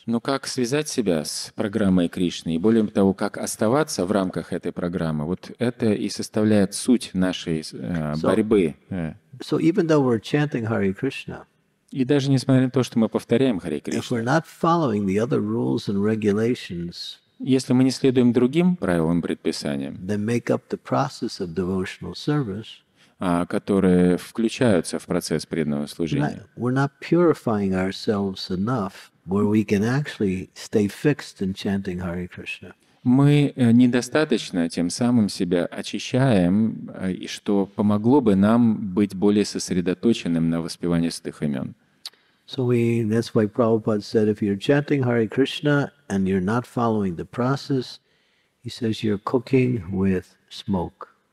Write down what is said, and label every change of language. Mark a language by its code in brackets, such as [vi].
[ru] Но как связать себя с программой Кришны и более того, как оставаться в рамках этой программы? Вот это и составляет суть нашей борьбы. [en] So even though we're chanting Hare Krishna, [ru] и даже несмотря на то, что мы повторяем Hare Krishna, [en] if we're not following the other rules and regulations, [ru] если мы не следуем другим правилам и предписаниям, [en] then make up the process of devotional service, [ru] которые включаются в процесс преданного служения, [en] we're not purifying ourselves enough where we can actually stay fixed in chanting Hare Krishna. [ru] Мы недостаточно тем самым себя очищаем, и что помогло бы нам быть более сосредоточенным на воспевании святых имен. [en] So we, that's why Prabhupada said, if you're chanting Hare Krishna and you're not following the process, he says you're cooking with smoke.